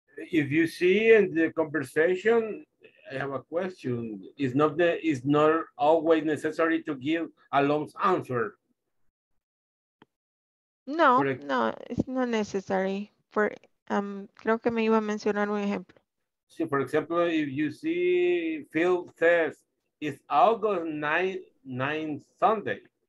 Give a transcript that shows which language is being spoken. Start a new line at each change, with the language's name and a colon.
English: If you see in the conversation, I have a question. It's not always necessary to give a long answer. No, it's not necessary.
Spanish: Creo que me iba a mencionar un ejemplo.
English: Sí, for example, if you see, Phil says, it's August 9th Sunday.